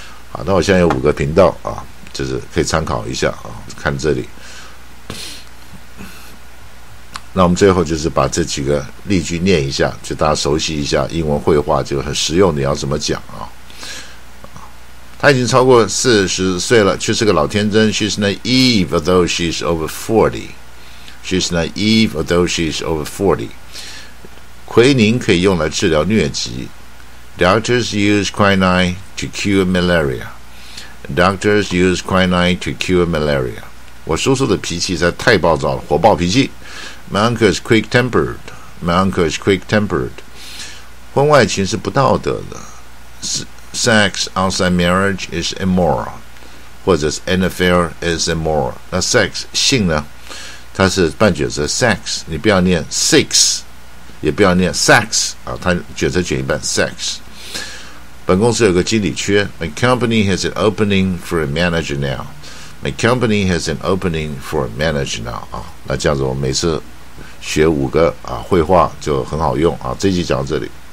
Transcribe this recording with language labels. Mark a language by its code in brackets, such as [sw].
[zh] 好，那我现在有五个频道啊，就是可以参考一下啊，看这里。那我们最后就是把这几个例句念一下，就大家熟悉一下英文会话，就很实用，你要怎么讲啊？他已经超过40岁了，却是个老天真。 [en] She's naive, though she's over 40. She's naive, though she's over 40. [zh] 奎宁可以用来治疗疟疾。 [en] Doctors use quinine to cure malaria. Doctors use quinine to cure malaria. [zh] 我叔叔的脾气实在太暴躁了，火爆脾气。 [en] My uncle is quick-tempered. My uncle is quick-tempered. [zh] 婚外情是不道德的。 [en] Sex outside marriage is immoral. [zh] 或者是 [en] affair is immoral. [zh] 那 sex 性呢？它是半卷舌 sex， 你不要念 six。也不要念 sex 啊，他卷舌卷一半 sex。本公司有个经理缺 [en] ，My company has an opening for a manager now. My company has an opening for a manager now [zh] 啊，那这样子我每次学五个啊会话就很好用啊，这集讲到这里。